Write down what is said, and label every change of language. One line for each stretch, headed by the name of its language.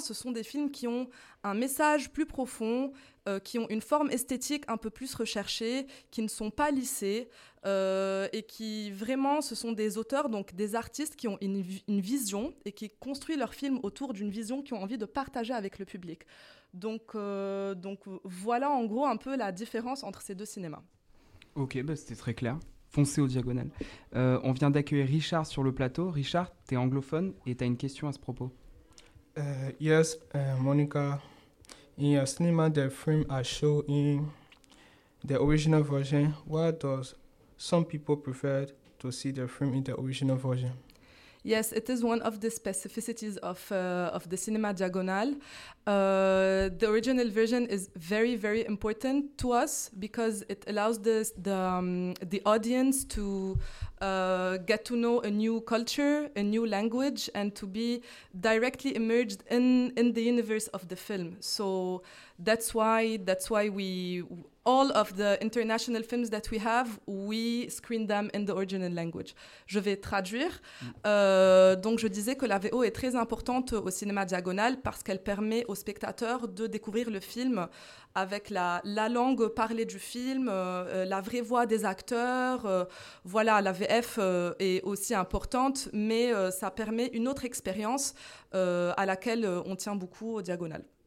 French: Ce sont des films qui ont un message plus profond, qui ont une forme esthétique un peu plus recherchée, qui ne sont pas lissés, et qui vraiment, ce sont des auteurs, donc des artistes qui ont une vision et qui construisent leurs films autour d'une vision qu'ils ont envie de partager avec le public. Donc voilà en gros un peu la différence entre ces deux cinémas. Ok, c'était très clair. Foncez au Diagonal. On vient d'accueillir Richard sur le plateau. Richard, t'es anglophone et t'as une question à ce propos.
English: Yes, Monica. In your cinema, the film are shown in the original version. Why does some people prefer to see the film in the original version? Yes, it is one of the specificities of the Cinema Diagonal. The original version is very, very important to us because it allows the audience to get to know a new culture, a new language, and to be directly immersed in the universe of the film. So that's why we all of the international films that we have, we screen them in the original language.
French: Je vais traduire. Donc, je disais que la VO est très importante au cinéma Diagonal parce qu'elle permet aux spectateurs de découvrir le film avec la langue parlée du film, la vraie voix des acteurs. Voilà, la VF est aussi importante, mais ça permet une autre expérience à laquelle on tient beaucoup au Diagonal.